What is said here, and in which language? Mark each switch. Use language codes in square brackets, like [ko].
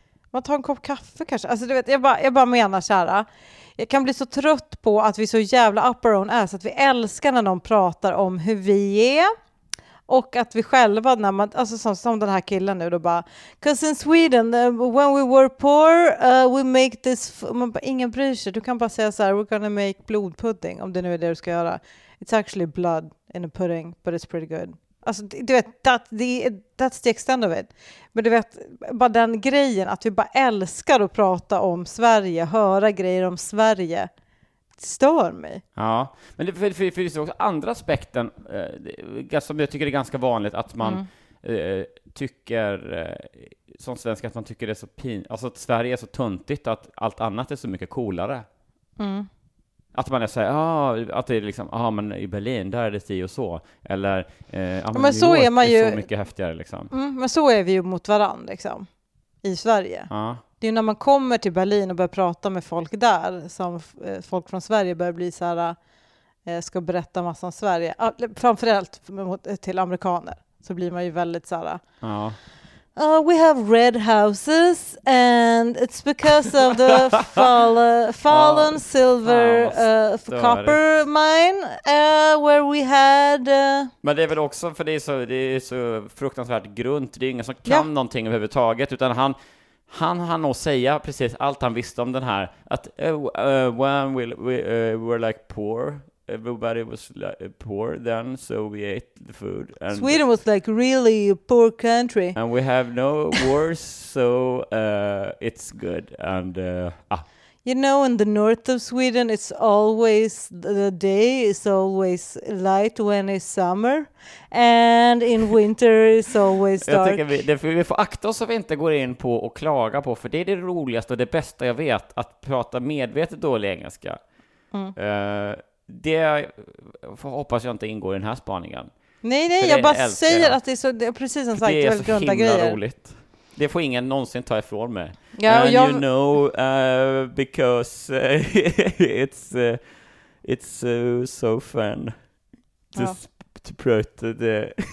[sv] Man tar en kopp kaffe kanske. Alltså du vet, jag bara menar kära. Jag kan bli så trött på att vi så jävla [en] up our own ass, [sv] att vi älskar när någon pratar om hur vi är och att vi själva, när man, alltså som den här killen nu då bara, [en] 'cause in Sweden when we were poor we make this, [sv] man bara, ingen bryr sig. Du kan bara säga så här, [en] 'we're gonna make blood pudding', [sv] om det nu är det du ska göra. [en] 'It's actually blood in a pudding, but it's pretty good.' [sv] Alltså du vet, [en] that's the extent of it. [sv] Men du vet, bara den grejen att vi bara älskar att prata om Sverige, höra grejer om Sverige, stör mig. Ja, men det finns också andra aspekten som jag tycker är ganska vanligt, att man tycker som svensk, att man tycker det är så pin, alltså att Sverige är så tuntigt, att allt annat är så mycket coolare. Mm. Att man säger, att det är liksom, men i Berlin där är det si och så, eller men så är man ju så mycket häftigare liksom. Mm, men så är vi ju mot varandra liksom i Sverige. Ja. Det är ju när man kommer till Berlin och börjar prata med folk där som folk från Sverige börjar bli så här, ska berätta massa om Sverige, framförallt till amerikaner, så blir man ju väldigt så här. Ja. [en] We have red houses and it's because of the fallen silver copper mine where we had... [sv] Men det är väl också, för det är så fruktansvärt grunt, det är ingen som kan någonting överhuvudtaget, utan han har nog säga precis allt han visste om den här, att [en] when we were like poor, everybody was like poor then, so we ate the food. And Sweden was like really a poor country. And we have no wars, so it's good. And you know, in the north of Sweden, it's always the day is always light when it's summer, and in winter it's always dark. [sv] Jag tycker vi får akta oss att vi inte går in på och klaga på, för det är det roligaste och det bästa jag vet, att prata medvetet dålig engelska. Det hoppas jag inte ingår i den här spaningen. Nej, jag bara säger att det är så, det är precis som sagt, det är väldigt grunda grejer. Det är så himla roligt. Det får ingen någonsin ta ifrån mig. Ja, [en] and you know because it's so fun to [sv] prata det.